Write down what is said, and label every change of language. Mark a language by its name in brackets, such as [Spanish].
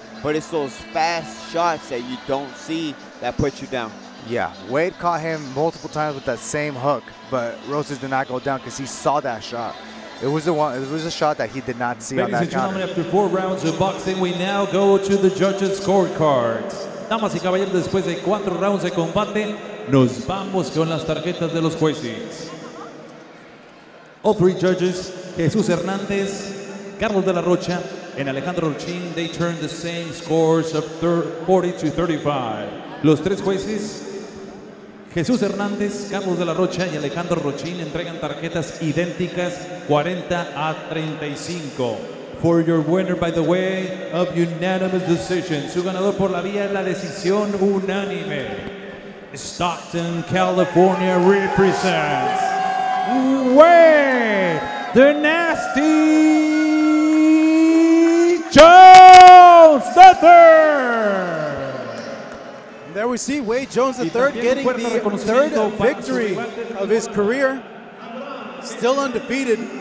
[English] But it's those fast shots that you don't see that put you down. Yeah. Wade caught him multiple times with that same hook. But Rosas did not go down because he saw that shot. It was a shot that he did not see. Ladies on that counter. Ladies and gentlemen, after four rounds of boxing, we now go to the judges' scorecards. [Spanish] Damas y caballeros, después de cuatro rounds de combate, nos vamos con las tarjetas de los jueces. [English] All three judges, Jesus Hernandez, Carlos de la Rocha, and Alejandro Rochin, they turned the same scores of 40-35. [Spanish] Los tres jueces, Jesús Hernández, Carlos de la Rocha y Alejandro Rochin, entregan tarjetas idénticas 40-35. [English] For your winner, by the way, of unanimous decision. [Spanish] Su ganador por la vía de la decisión unánime. [English] Stockton, California represents Wade, the Nasty Jones, the third. There we see Wade Jones, the third, getting the third victory of his career. Still undefeated.